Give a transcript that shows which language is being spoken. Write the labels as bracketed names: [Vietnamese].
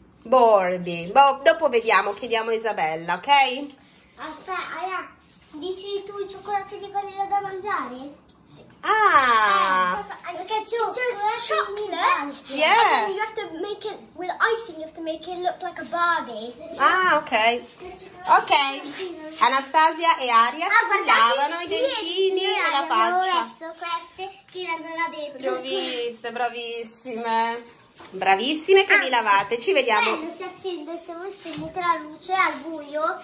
[Italian] Dopo vediamo, chiediamo a Isabella, ok? Aspetta, Aya. Dici tu i cioccolati di vanilla da mangiare? Sì. Ah! Perché c'è chocolate. [English] Yeah. And you have to make it with icing, you have to make it look like a Barbie. Ah, ok. Ok. [Italian] Anastasia e Aria si lavano i dentini e la faccia. Ho messo queste che erano là dentro. Le ho viste, bravissime. Bravissime che vi lavate, ci vediamo. Quando si accende, se voi spegnete la luce al buio,